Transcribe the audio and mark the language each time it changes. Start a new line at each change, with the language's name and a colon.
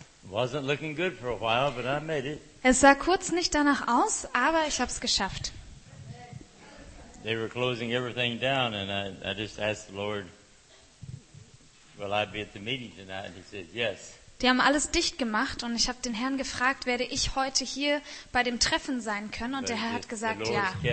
English: Wasn't looking good for a while, but I made it.
German: Es sah kurz nicht danach aus, aber ich habe es geschafft.
English: They were closing everything down and I just asked the Lord, will I be at the meeting tonight? And he said, yes.
German: Die haben alles dicht gemacht und ich habe den Herrn gefragt, werde ich heute hier bei dem Treffen sein können? Und der Herr hat gesagt, ja.